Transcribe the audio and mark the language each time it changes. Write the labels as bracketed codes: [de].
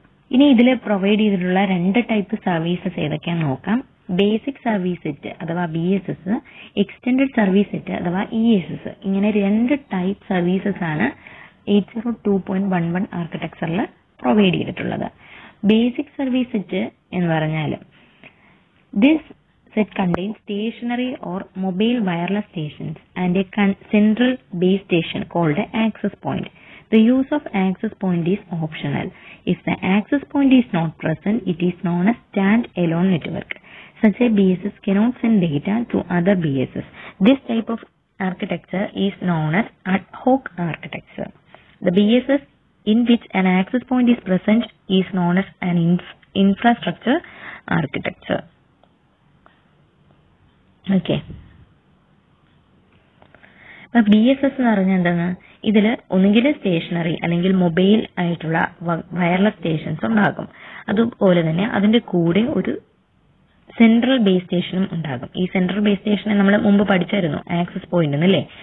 [ml] ഇനി ഇതിൽ പ്രൊവൈഡ് ചെയ്തിട്ടുള്ള രണ്ട് ടൈപ്പ് സർവീസസ് ഏതൊക്കെയാന്ന് നോക്കാം ബേസിക് സർവീസ് സെറ്റ് അഥവാ BSS എക്സ്റ്റെൻഡഡ് സർവീസ് സെറ്റ് അഥവാ ESS ഇങ്ങനെ രണ്ട് ടൈപ്പ് സർവീസസ് ആണ് 802.11 ആർക്കിടെക്ചറിൽ പ്രൊവൈഡ് ചെയ്തിട്ടുള്ളത് ബേസിക് സർവീസ് സെറ്റ് എന്ന് പറഞ്ഞാൽ this [en] set contains stationary or mobile wireless stations and a central base station called an access point. The use of access point is optional. If the access point is not present, it is known as stand-alone network. Such a BSS cannot send data to other BSS. This type of architecture is known as ad hoc architecture. The BSS in which an access point is present is known as an infrastructure architecture. Okay. But BSS is [ml] ഇതില് ഒന്നുകിൽ stationery അല്ലെങ്കിൽ mobile ആയിട്ടുള്ള wireless stations ഉണ്ടാകും. അതുപോലെ തന്നെ അതിൻ്റെ കൂടെ ഒരു സെൻട്രൽ ബേസ് സ്റ്റേഷനും ഉണ്ടാകും. ഈ സെൻട്രൽ ബേസ് സ്റ്റേഷനെ നമ്മൾ മുമ്പ് പഠിച്ചായിരുന്നു, ആക്സസ് പോയിന്റ് എന്നല്ലേ.